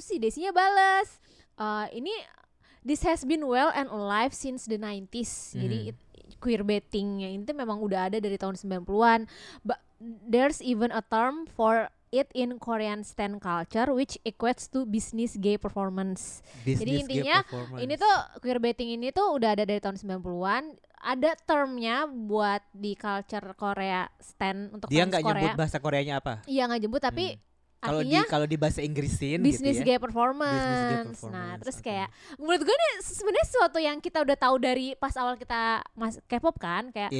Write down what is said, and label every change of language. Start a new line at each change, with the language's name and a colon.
Indonesian: Terus si Desinya balas ini
English: this has been well and alive since the 90s.
Indonesian: Jadi queerbaitingnya ini memang udah ada dari tahun 90-an.
English: But there's even a term for it in Korean stan culture which equates to business gay performance. Business
Indonesian: jadi intinya
English: performance.
Indonesian: Ini tuh queerbaiting ini tuh udah ada dari tahun 90-an. Ada termnya buat di culture Korea stan untuk dia nggak nyebut bahasa Koreanya apa? Iya nggak nyebut tapi artinya kalau di bahasa Inggrisin
English: business
Indonesian: gitu
English: ya. Gay performance.
Indonesian: Nah terus kayak menurut gue nih sebenarnya sesuatu yang kita udah tahu dari pas awal kita K-pop kan kayak.